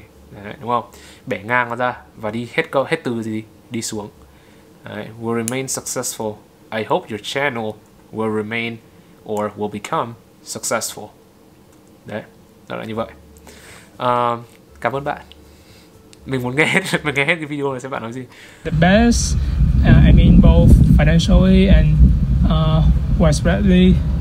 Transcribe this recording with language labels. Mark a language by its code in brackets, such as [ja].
[vi] Đấy, đúng không? Bẻ ngang nó ra và đi hết câu, hết từ gì đi xuống. Đấy. [en] Will remain successful. I hope your channel will remain or will become successful. [vi] Đấy. Đó là như vậy. Cảm ơn bạn. Mình nghe hết cái video này xem bạn nói gì. [en] The best, I mean both financially and widespreadly.